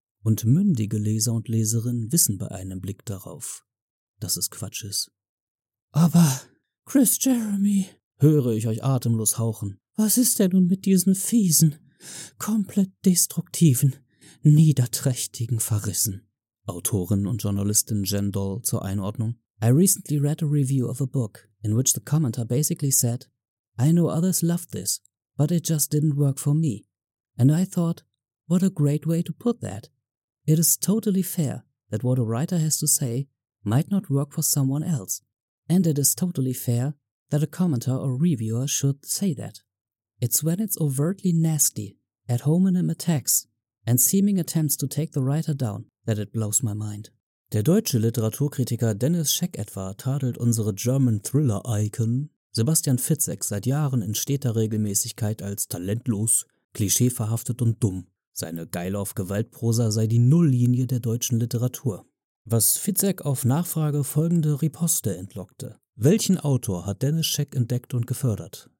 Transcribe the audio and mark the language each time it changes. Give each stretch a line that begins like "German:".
German: Und mündige Leser und Leserinnen wissen bei einem Blick darauf, dass es Quatsch ist. Aber, Chris Jeremy, höre ich euch atemlos hauchen, was ist denn nun mit diesen fiesen, komplett destruktiven, niederträchtigen Verrissen? Autorin und Journalistin Jen Doll zur Einordnung.
English: I recently read a review of a book, in which the commenter basically said, I know others loved this, but it just didn't work for me. And I thought, what a great way to put that. It is totally fair that what a writer has to say might not work for someone else. And it is totally fair that a commenter or reviewer should say that. It's when it's overtly nasty, ad hominem attacks, and seeming attempts to take the writer down, that it blows my mind.
German: Der deutsche Literaturkritiker Dennis Scheck etwa tadelt unsere
English: German Thriller Icon
German: Sebastian Fitzek seit Jahren in steter Regelmäßigkeit als talentlos, klischeeverhaftet und dumm. Seine Geil auf Gewaltprosa sei die Nulllinie der deutschen Literatur. Was Fitzek auf Nachfrage folgende Riposte entlockte: Welchen Autor hat Dennis Scheck entdeckt und gefördert?